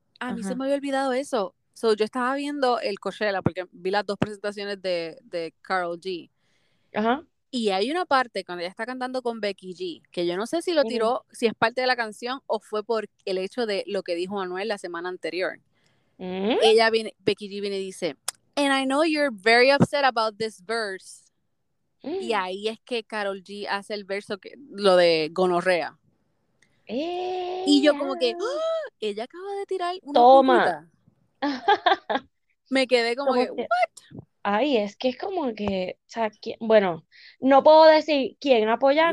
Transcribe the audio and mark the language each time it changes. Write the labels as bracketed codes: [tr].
[es] a mí se me había olvidado eso. So, yo estaba viendo el Coachella porque vi las dos presentaciones de Karol G. Y hay una parte cuando ella está cantando con Becky G, que yo no sé si lo tiró, si es parte de la canción o fue por el hecho de lo que dijo Anuel la semana anterior. Ella viene, Becky G viene y dice, [en] "And I know you're very upset about this verse." [es] Y ahí es que Karol G hace el verso que lo de gonorrea. Y yo como que, ¡oh! Ella acaba de tirar una Toma. puntita. Me quedé como ¿Cómo que, ¿what? que? Ay, es que es como que, o sea, ¿quién? Bueno, no puedo decir quién apoya a